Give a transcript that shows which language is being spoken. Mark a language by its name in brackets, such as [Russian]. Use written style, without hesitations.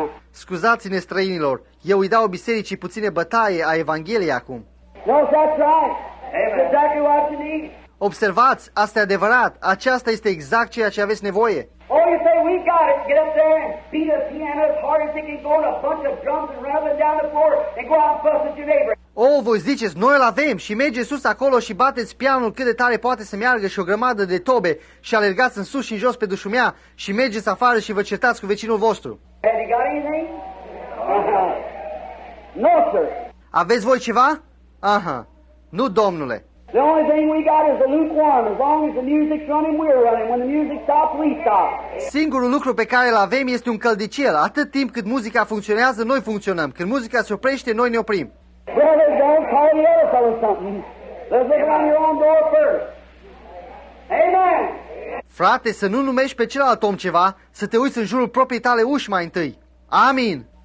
[Romanian] Scuzați-ne, străinilor, eu îi dau bisericii puține bătaie a Evangheliei acum. [English] No, that's right. Exactly what you need. [Romanian] Observați, asta e adevărat. Aceasta este exact ceea ce aveți nevoie. [English] Oh, you say, devil, we got it. Get up there and beat a piano as hard as it can go and a bunch of drums and rattling down the floor and go out and fuss at your neighbor. [Romanian] Oh, voi ziceți, noi îl avem și mergeți sus acolo și bateți pianul cât de tare poate să meargă și o grămadă de tobe și alergați în sus și în jos pe dușumea și mergeți afară și vă certați cu vecinul vostru. [English] Have you got anything? Uh-huh. No, sir. [Romanian] Aveți voi ceva? Aha. Nu, domnule. [English] The only thing we got is a lukewarm. As long as the music's running, we're running. When the music stops, we stop. [Romanian] Singurul lucru pe care îl avem este un căldicel. Atât timp cât muzica funcționează, noi funcționăm. Când muzica se oprește, noi ne oprim. [English] Brothers, don't call the other fellow something. Let's look on your own door first. Amen. [Romanian] Frate, să nu numești pe celălalt om ceva, să te uiți în jurul proprii tale uși mai întâi. Amin.